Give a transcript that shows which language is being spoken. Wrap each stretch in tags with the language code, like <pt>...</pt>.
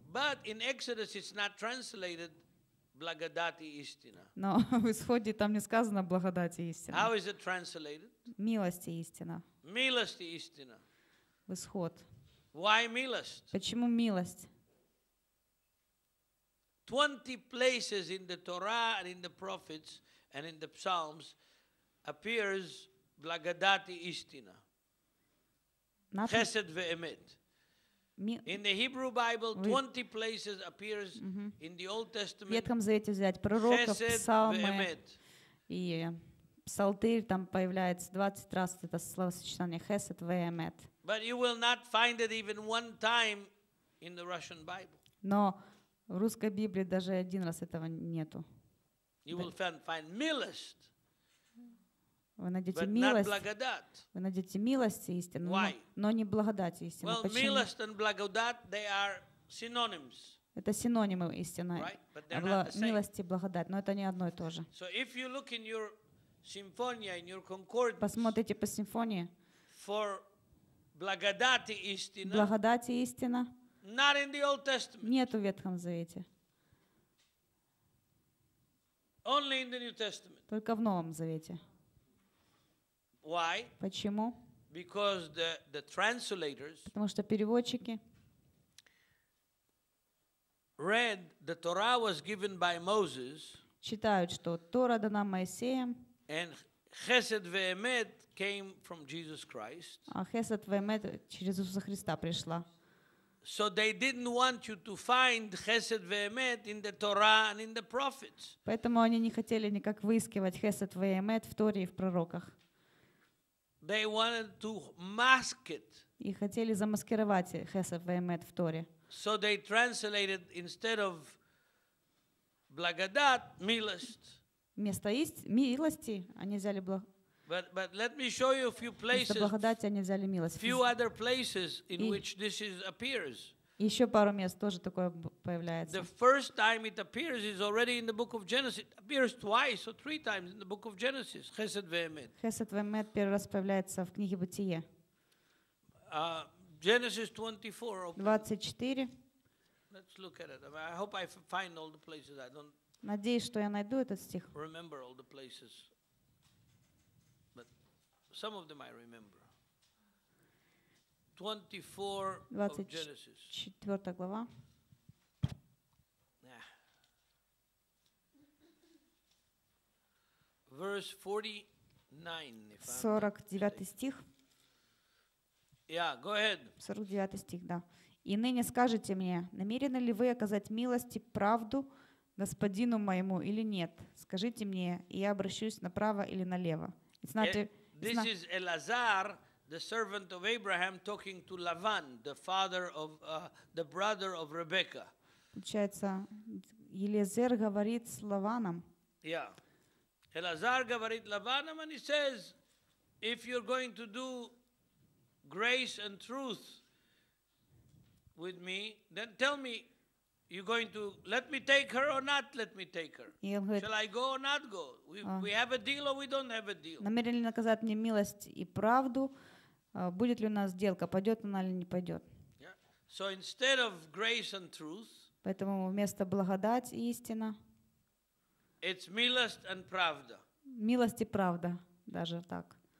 <en>But in Exodus it's not translated</en> <ru>благодать и истина. Но в Исходе там не сказано благодать и истина.</ru> <en>How is it translated?</en> <ru>Милость и истина. Милость и истина. В Исход.</ru> <en>Why милость?</en> <ru>Почему милость?</ru> <en>20 places in the Torah and in the prophets and in the Psalms appears</en> <ru>благодать и истина.</ru> <he>Хесед ваэмет.</he> <en>In the Hebrew Bible 20 places appears in the Old Testament.</en> <ru>В Ветхом Завете взять пророков, псалмы и Псалтырь, там появляется 20 раз это словосочетание хесед ваэмет.</ru> <en>But you will not find it even one time in the Russian Bible.</en> <ru>Но в русской Библии даже один раз этого нету.</ru> <en>You will find милость.</en> <ru>Вы найдете милость.</ru> <en>But not благодать.</en> <ru>Вы найдете милость и истину.</ru> <en>Why?</en> <ru>Но не благодать и истину.</ru> <en>Well,</en> <ru>почему?</ru> <en>Милость and благодать, they are synonyms.</en> <ru>Это синонимы истины.</ru> <en>Right?</en> <ru>Милость и благодать, но это не одно и то же.</ru> <en>So if you look in your Symphonia, in your concordance.</en> <ru>Посмотрите по симфонии. For благодать и истина. Благодать и истина.</ru> <en>Not in the Old Testament.</en> <ru>Нету в Ветхом Завете.</ru> <en>Only in the New Testament.</en> <ru>Только в Новом Завете.</ru> <en>Why?</en> <ru>Почему?</ru> <en>Because the translators.</en> <ru>Потому что переводчики.</ru> <en>Read the Torah was given by Moses.</en> <ru>Читают, что Тора дана Моисеем.</ru> <en>And Chesed ve'emet came from Jesus Christ.</en> <ru>А Chesed ve'emet через Иисуса Христа пришла.</ru> <en>So they didn't want you to find Chesed ve'emet in the Torah and in the prophets.</en> <ru>Поэтому они не хотели никак выискивать Chesed ve'emet в Торе и в пророках.</ru> <en>They wanted to mask it.</en> <ru>И хотели замаскировать Chesed ve'emet в Торе.</ru> <en>So they translated instead of благодат, милость.</en> <ru>Вместо милости они взяли вместо благодати они взяли милость.</ru> <en>Few other places in which this is appears.</en> <ru>Еще пару мест тоже такое появляется.</ru> <en>The first time it appears is already in the book of Genesis. It appears twice or three times in the book of Genesis.</en> <he>Chesed ve'emet.</he> <ru>Chesed ve'emet первый раз появляется в книге Бытие.</ru> <en>Genesis 24. 24. Let's look at it. I hope I find all the places. I don't.</en> <ru>Надеюсь, что я найду этот стих.</ru> <en>Remember all the places. But some of them I remember. 24 of Genesis.</en> <ru>24 глава.</ru> <en>verse</en> <ru>49 стих.</ru> <en>Yeah, go ahead.</en> <ru>49 стих, да. «И ныне скажете мне, намерены ли вы оказать милость и правду господину моему или нет? Скажите мне, и я обращусь направо или налево».</ru> <en>It's not this is Elazar, the servant of Abraham, talking to Lavan, the father of the brother of Rebecca.</en> <ru>Получается, Елизер говорит с Лаваном.</ru> <en>Yeah. Elazar</en> <ru>говорит Лаваном,</ru> <en>and he says, if you're going to do grace and truth with me, then tell me, you're going to let me take her or not let me take her? Shall I go or not go? We have a deal or we don't have a deal?</en> <ru>Намерен ли наказать мне милость и правду? Будет ли у нас сделка? Пойдет она или не пойдет?</ru> <en>So instead of grace and truth,</en> <ru>поэтому вместо благодать и истина,</ru> <en>it's милость and правда.</en> <ru>Милость и правда, даже так.</ru>